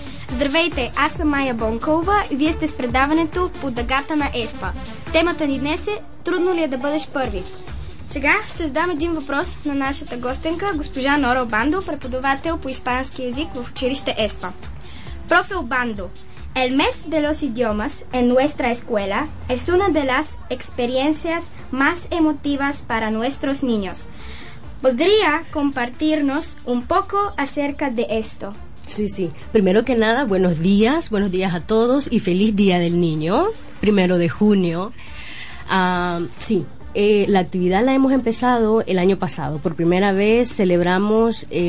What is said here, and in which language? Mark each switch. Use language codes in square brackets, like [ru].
[bg] Здравейте, аз съм Майя Бонкова и вие сте с предаването по дъгата на ЕСПА. Темата ни днес е трудно ли е да бъдеш първи? Сега ще задам един въпрос на нашата гостенка, госпожа Нора Обандо, преподавател по испански език в училище ЕСПА. [es] Профе Обандо, el mes de los idiomas en nuestra escuela es una de las experiencias más emotivas para nuestros niños. ¿Podría compartirnos un poco acerca de esto? Sí, sí. Primero que nada, buenos días a todos y feliz día del niño, primero de junio. Sí. La actividad la hemos empezado el año pasado. Por primera vez celebramos